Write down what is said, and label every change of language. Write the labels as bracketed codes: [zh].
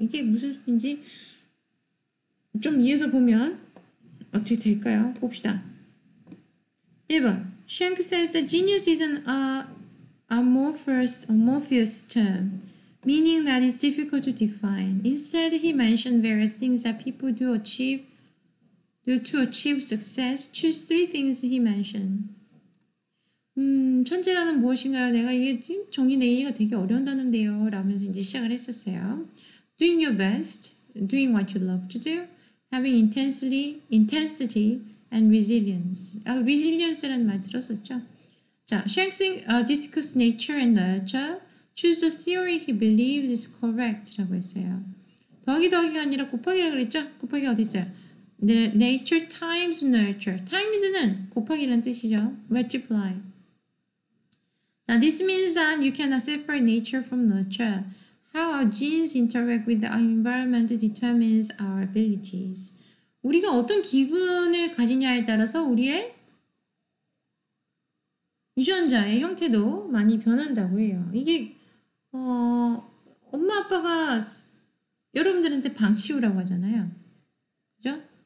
[ko] 이게 무슨 소리인지 좀 이해해서 보면 어떻게 될까요? 봅시다. [en] 1번 Schenck says that genius is an amorphous term meaning that it's difficult to define. Instead he mentioned various things that people do achieve to achieve success, choose three things he mentioned. [ko] 천재라는 무엇인가요? 내가 이게 정의 내기가 되게 어려운다는데요. 라면서 이제 시작을 했었어요. [en] Doing your best, doing what you love to do, having intensity and resilience. Resilience라는 [ko] 말 들었었죠. 자, [en] Schenck discuss nature and nurture, choose the theory he believes is correct. [ko] 라고 했어요. 더하기가 아니라 곱하기라고 그랬죠? 곱하기가 어디 있어요? [en] Nature times nurture. [ko] Times는 곱하기란 뜻이죠. Multiply. [en] Now, this means that you cannot separate nature from nurture. How our genes interact with our environment determines our abilities. [ko] 우리가 어떤 기분을 가지냐에 따라서 우리의 유전자의 형태도 많이 변한다고 해요. 이게 엄마 아빠가 여러분들한테 방치우라고 하잖아요. 그죠?